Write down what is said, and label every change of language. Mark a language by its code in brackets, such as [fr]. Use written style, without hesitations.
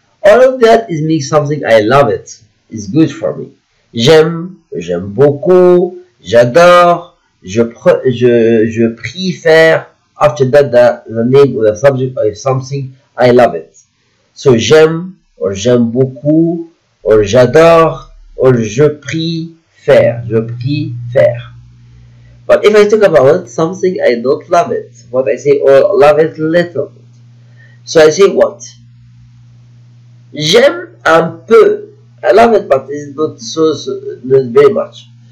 [en] All of that is meaning something I love it, it's good for me. [fr] J'aime beaucoup, j'adore, je préfère. [en] After that, the name of the subject is something I love it. [fr] So j'aime, or j'aime beaucoup, or j'adore, or je préfère. [en] But if I talk about it, something I don't love it, what I say, or love it little. So I say what? [fr] J'aime un peu. [en] I love it, but it's not very much.